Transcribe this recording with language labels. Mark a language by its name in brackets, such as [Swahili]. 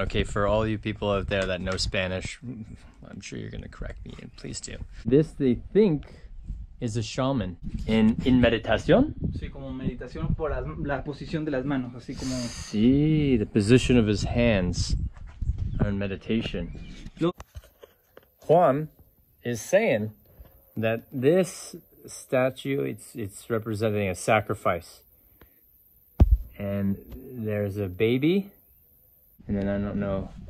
[English] Okay, for all you people out there that know Spanish, I'm sure you're gonna correct me, and please do. This, they think, is a shaman. In meditación? [Spanish] Sí, como meditación por la posición de las manos, así como... [English] Sí, the position of his hands are in meditation. Juan is saying that this statue, it's representing a sacrifice. And there's a baby. And then I don't know.